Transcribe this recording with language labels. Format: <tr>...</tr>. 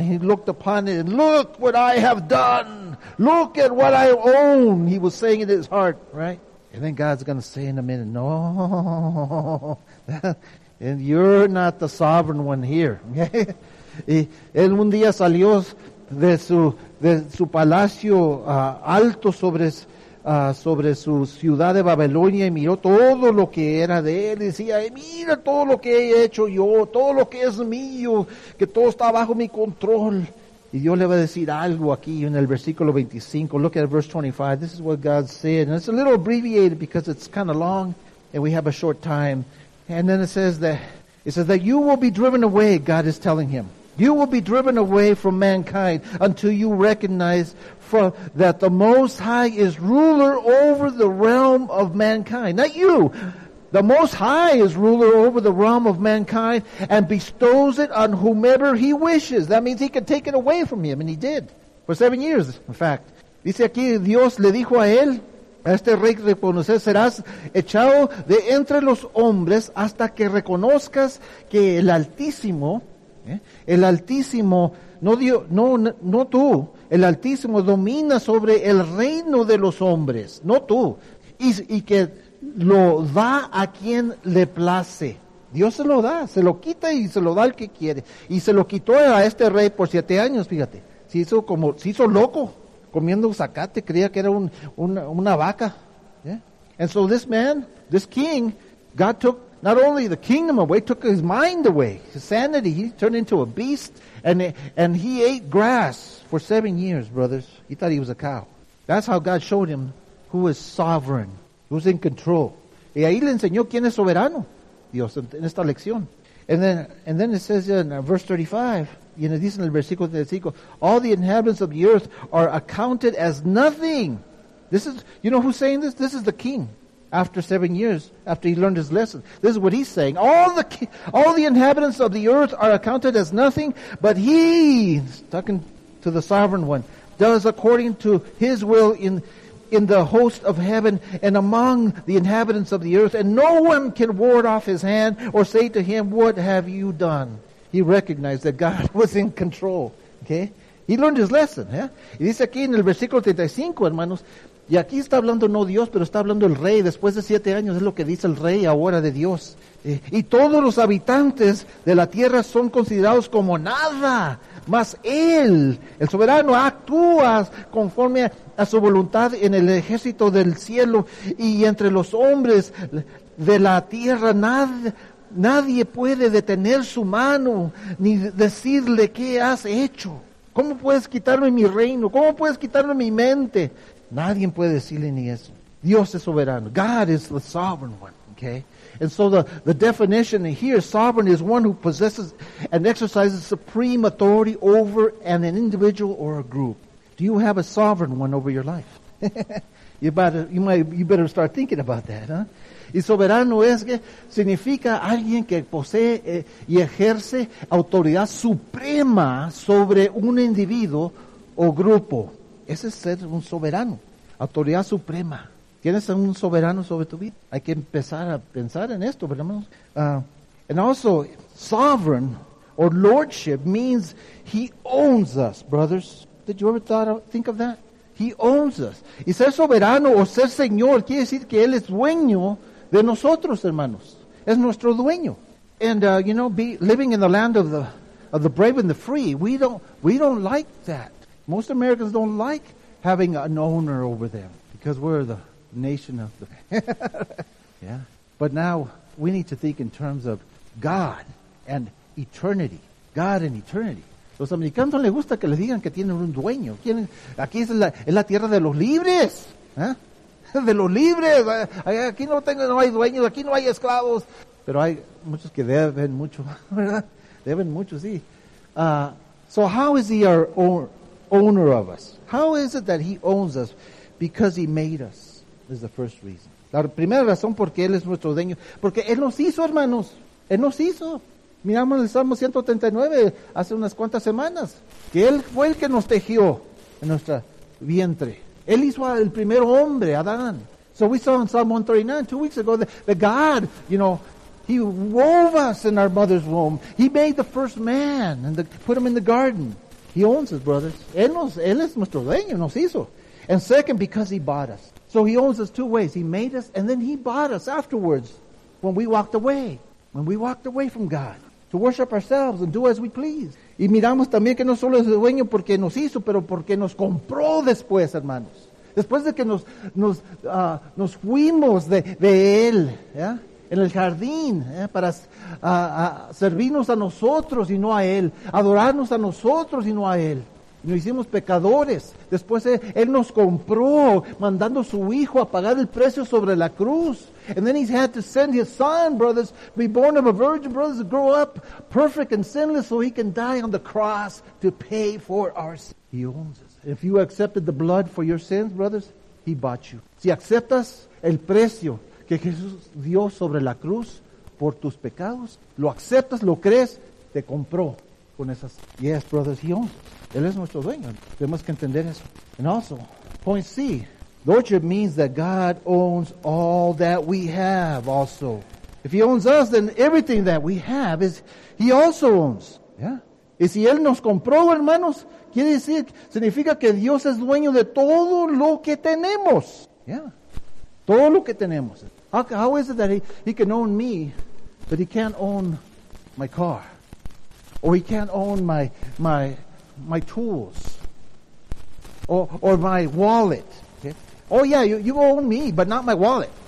<en>He looked upon it and, "Look what I have done. Look at what I own." He was saying in his heart, right? And then God's going to say in a minute, "No, and you're not the sovereign one here." Okay?</en> <es>Y él un día salió de su palacio alto sobre su ciudad de Babilonia y miró todo lo que era de él y decía, mira todo lo que he hecho yo, todo lo que es mío, que todo está bajo mi control. Y Dios le va a decir algo aquí en el versículo 25.</es> <en>Look at verse 25. This is what God said. And it's a little abbreviated because it's kind of long and we have a short time. And then it says that you will be driven away, God is telling him. You will be driven away from mankind until you recognize that the Most High is ruler over the realm of mankind. Not you. The Most High is ruler over the realm of mankind and bestows it on whomever he wishes. That means he can take it away from him, and he did. For 7 years, in fact.</en> <es>Dice aquí, Dios le dijo a él, a este rey reconocer, serás echado de entre los hombres hasta que reconozcas que el Altísimo, el Altísimo, no Dios, no, no tú, el Altísimo domina sobre el reino de los hombres, no tú, y que lo da a quien le place. Dios se lo da, se lo quita y se lo da al que quiere. Y se lo quitó a este rey por 7 años, fíjate. Se hizo loco. Comiendo zacate, creía que era una vaca.</es> <en>Yeah. And so this man, this king, God took not only the kingdom away, took his mind away, his sanity. He turned into a beast, and he ate grass for 7 years, brothers. He thought he was a cow. That's how God showed him who was sovereign, who's in control.</en> <es>Y ahí le enseñó quién es soberano, Dios, en esta lección.</es> <en>And then it says in verse 35,</en> <es>y en el versículo 35,</es> <en>all the inhabitants of the earth are accounted as nothing. This is, you know who's saying this? This is the king. After 7 years, after he learned his lesson, this is what he's saying. All the inhabitants of the earth are accounted as nothing, but he, talking to the sovereign one, does according to his will in the host of heaven and among the inhabitants of the earth. And no one can ward off his hand or say to him, "What have you done?" He recognized that God was in control. Okay? He learned his lesson. Yeah?</en> <es>Y dice aquí en el versículo 35, hermanos, y aquí está hablando no Dios, pero está hablando el rey. Después de 7 años es lo que dice el rey ahora de Dios. Y todos los habitantes de la tierra son considerados como nada. Mas él, el soberano, actúa conforme a su voluntad en el ejército del cielo y entre los hombres de la tierra. Nadie puede detener su mano ni decirle qué has hecho. ¿Cómo puedes quitarme mi reino? ¿Cómo puedes quitarme mi mente? Nadie puede decirle ni eso. Dios es soberano.</es> <en>God is the sovereign one. Okay. And so the definition here, sovereign, is one who possesses and exercises supreme authority over an individual or a group. Do you have a sovereign one over your life? You better start thinking about that, huh?</en> <es>Y soberano es que significa alguien que posee y ejerce autoridad suprema sobre un individuo o grupo. Ese es ser un soberano, autoridad suprema. ¿Tienes un soberano sobre tu vida? Hay que empezar a pensar en esto, ¿verdad, hermanos?</es> <en>And also, sovereign or lordship means he owns us, brothers. Did you ever think of that? He owns us.</en> <es>Y ser soberano o ser señor quiere decir que él es dueño de nosotros, hermanos. Es nuestro dueño.</es> <en>And, you know, living in the land of the brave and the free, we don't like that. Most Americans don't like having an owner over them because we're the nation of the... yeah. But now we need to think in terms of God and eternity. God and eternity.</en> <es>Los americanos no les gusta que les digan que tienen un dueño. Quieren, aquí es la tierra de los libres. ¿Eh? De los libres. Aquí no hay dueños, aquí no hay esclavos. Pero hay muchos que deben mucho, ¿verdad? Deben mucho, sí.</es> <en>So how is he our owner of us? How is it that he owns us? Because he made us, is the first reason.</en> <es>La primera razón porque él es nuestro dueño. Porque él nos hizo, hermanos. Él nos hizo. Miramos el Salmo 139 hace unas cuantas semanas. Que él fue el que nos tejió en nuestro vientre. Él hizo al primer hombre, Adán.</es> <en>So we saw in Psalm 139 two weeks ago that God, you know, he wove us in our mother's womb. He made the first man and put him in the garden. He owns us, brothers.</en> <es>Él es nuestro dueño, nos hizo.</es> <en>And second, because he bought us. So he owns us two ways. He made us and then he bought us afterwards when we walked away. When we walked away from God to worship ourselves and do as we please.</en> <es>Y miramos también que no solo es dueño porque nos hizo, pero porque nos compró después, hermanos. Después de que nos fuimos de Él, ¿ya? En el jardín, ¿ya? Para servirnos a nosotros y no a Él. Adorarnos a nosotros y no a Él. Nos hicimos pecadores. Después Él nos compró, mandando a su Hijo a pagar el precio sobre la cruz.</es> <en>And then he's had to send his son, brothers, be born of a virgin, brothers, to grow up perfect and sinless so he can die on the cross to pay for our sins. He owns us. If you accepted the blood for your sins, brothers, he bought you.</en> <es>Si aceptas el precio que Jesús dio sobre la cruz por tus pecados, lo aceptas, lo crees, te compró con esas.</es> <en>Yes, brothers, he owns us.</en> <es>Él es nuestro dueño. Tenemos que entender eso.</es> <en>And also, point C. Lordship means that God owns all that we have also. If he owns us, then everything that we have is he also owns. Yeah.</en> <es>Y si él nos compró, hermanos, quiere decir, significa que Dios es dueño de todo lo que tenemos.</es> <en>Yeah.</en> <es>Todo lo que tenemos.</es> <en>How is it that he can own me, but he can't own my car? Or he can't own my tools? Or my wallet? Oh yeah, you own me, but not my wallet.</en>